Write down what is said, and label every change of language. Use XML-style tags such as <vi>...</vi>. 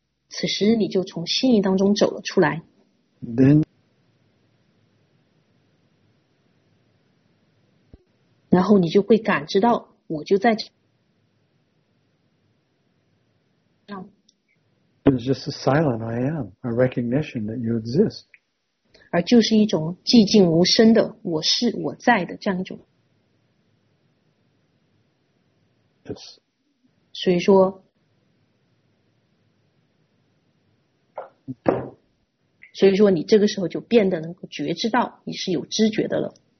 <zh>此时你就从心意当中走了出来。</zh> <en>Then.</en> <zh>然后你就会感知到我就在这。</zh> <en>It's just a silent I am, a recognition that you exist.</en> <zh>而就是一种寂静无声的我是我在的这样一种。</zh> <en>Yes.</en> <zh>所以说。你这个时候就变得能够觉知到你是有知觉的了。</zh>